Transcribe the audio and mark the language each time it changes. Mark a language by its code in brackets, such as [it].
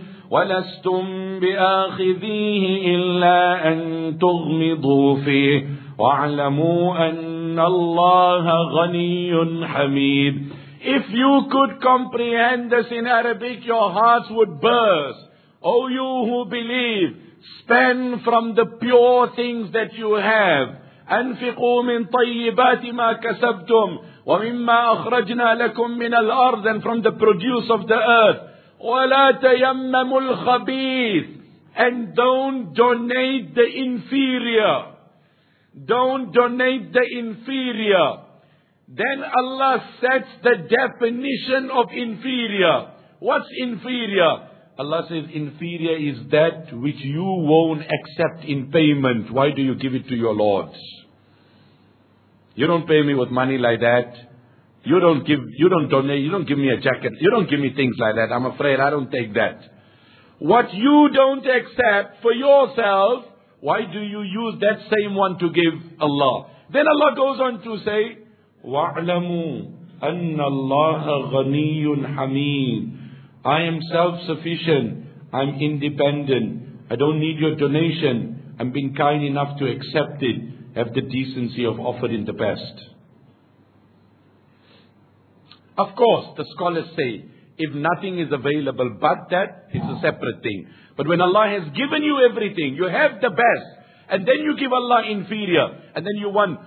[ar] ولستم بآخذيه إلا أن تغمضوا فيه واعلموا أن الله غني حميد. [en] If you could comprehend this in Arabic, your hearts would burst. O you who believe, spend from the pure things that you have. [ar] أنفقوا من طيبات ما كسبتم ومما أخرجنا لكم من الأرض [en] and from the produce of the earth. [ar] ولا تيمموا الخبيث [en] and don't donate the inferior. Don't donate the inferior. Then Allah sets the definition of inferior. What's inferior? Allah says inferior is that which you won't accept in payment. Why do you give it to your lords? You don't pay me with money like that. You don't donate. You don't give me a jacket. You don't give me things like that. I'm afraid I don't take that. What you don't accept for yourself, why do you use that same one to give Allah? Then Allah goes on to say, [ar] وَاعْلَمُوا أَنَّ اللَّهَ غَنِيٌّ حَمِيدٌ [en] I am self-sufficient. I'm independent. I don't need your donation. I've been kind enough to accept it. Have the decency of offering the best. Of course, the scholars say, if nothing is available but that, it's a separate thing. But when Allah has given you everything, you have the best, and then you give Allah inferior, and then you won.